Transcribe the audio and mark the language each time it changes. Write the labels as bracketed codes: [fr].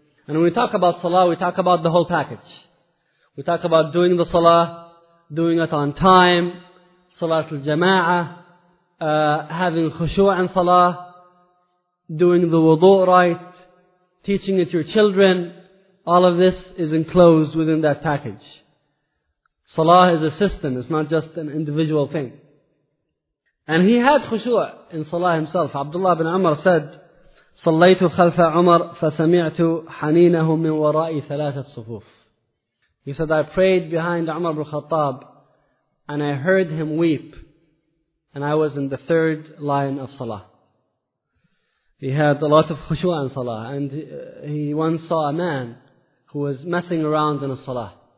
[en] And when we talk about salah, we talk about the whole package. We talk about doing the salah, doing it on time, salat al-jama'ah, having khushu' in salah, doing the wudu' right, teaching it to your children, all of this is enclosed within that package. Salah is a system, it's not just an individual thing. And he had khushu' in salah himself. Abdullah ibn Umar said, [ar] صَلَّيْتُ خَلْفَ عُمَرْ فَسَمِعْتُ حَنِينَهُ مِنْ وَرَائِ ثَلَاثَةِ صُفُوفِ. [en] He said, I prayed behind Umar ibn Khattab, and I heard him weep, and I was in the third line of salah. He had a lot of khushu' in salah, and he once saw a man who was messing around in a salah.